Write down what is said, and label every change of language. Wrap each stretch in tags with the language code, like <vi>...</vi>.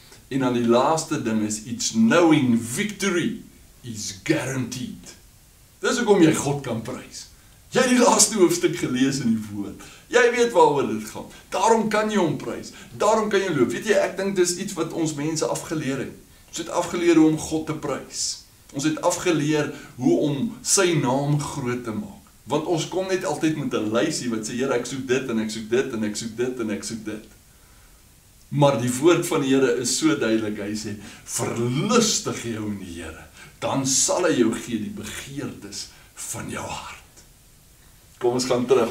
<af>En dan die laaste ding is,</af> <en>it's knowing victory is guaranteed.</en> <af>Dis hoekom jy God kan prys. Jy het die laaste hoofstuk gelees in die woord. Jy weet waaroor dit gaan. Daarom kan jy hom prys. Daarom kan jy loof. Weet jy, ek dink dis iets wat ons mense afgeleer het. Ons het afgeleer hoe om God te prys. Ons het afgeleer hoe om sy naam groot te maak. Want ons kom net altyd met 'n lysie wat sê, Here, ek soek dit en ek soek dit en ek soek dit en ek soek dit. Maar die woord van die Here is so duidelik. Hy sê, verlustig jou in die Here, dan sal hy jou gee die begeertes van jou hart. Kom ons gaan terug.</af>